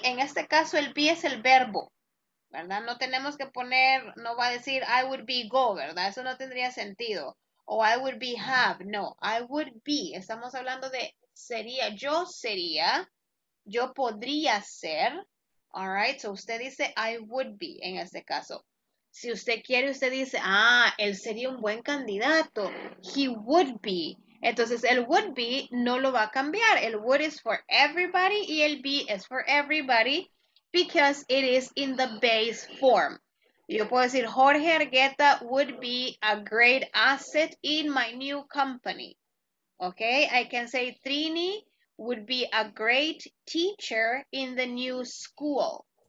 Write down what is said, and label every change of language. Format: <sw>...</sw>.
<es>En este caso, el be es el verbo, ¿verdad? No tenemos que poner, no va a decir</es> <en>I would be go,</en> <es>¿verdad? Eso no tendría sentido.</es> <en>O I would be have, no, I would be.</en> <es>Estamos hablando de sería, yo podría ser,</es> <en>all right?</en> <es>So usted dice</es> <en>I would be</en> <es>en este caso. Si usted quiere, usted dice, ah, él sería un buen candidato.</es> <en>He would be.</en> <es>Entonces, el would be no lo va a cambiar.</es> <en>El would is for everybody y el be is for everybody because it is in the base form.</en> <es>Yo puedo decir,</es> <en>Jorge Argueta would be a great asset in my new company. Okay, I can say Trini would be a great teacher in the new school.</en>